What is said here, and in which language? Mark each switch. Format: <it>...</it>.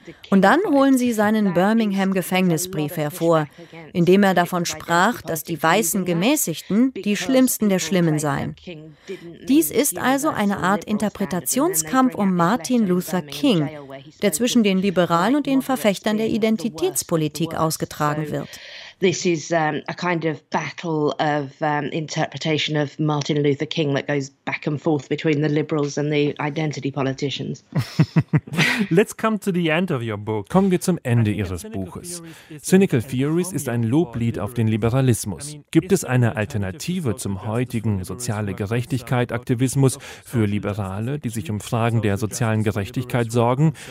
<de>Und dann holen sie seinen Birmingham-Gefängnisbrief hervor, in dem er davon sprach, dass die weißen Gemäßigten die Schlimmsten der Schlimmen seien. Dies ist also eine Art Interpretationskampf um Martin Luther King, der zwischen den Liberalen und den Verfechtern der Identitätspolitik ausgetragen wird.</de> <en>This is a kind of battle of interpretation of Martin Luther King that goes back and forth between the liberals and the identity politicians. Let's come to the end of your book.</en> <de>Kommen wir zum Ende Ihres Buches. Cynical Theories ist ein Loblied auf den Liberalismus. Gibt es eine Alternative zum heutigen soziale Gerechtigkeit-Aktivismus für Liberale, die sich um Fragen der sozialen Gerechtigkeit sorgen?</de>